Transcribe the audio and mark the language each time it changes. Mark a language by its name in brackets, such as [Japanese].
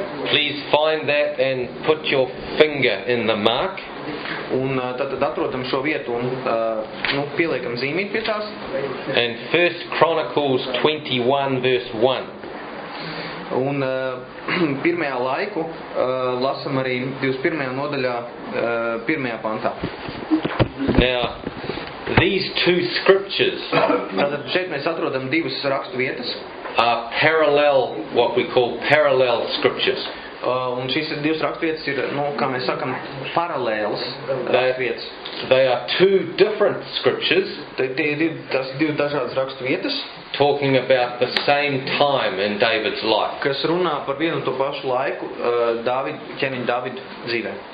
[English] Please find that and put your finger in the mark. [Latvian] Un tad atrodam šo vietu un nu, pieliekam zīmīti pie tās. [English] And 1 Chronicles 21 verse 1. [Latvian] Un 1. Laiku lasam arī 21. Nodaļā 1. Pantā. [English] Now, these two scriptures. [Latvian] Tātad šeit mēs atrodam divas rakstu vietas. [English] Parallel, what we call parallel scriptures. [Latvian] Un šīs divas rakstu vietas ir, nu, kā mēs sakam, paralēls rakstu vietas. [English] They are two different scriptures. [Latvian] Tās divas dažādas rakstu vietas. [English] Talking about the same time in David's life. [Latvian] Kas runā par vienu to pašu laiku Dāvid dzīvē.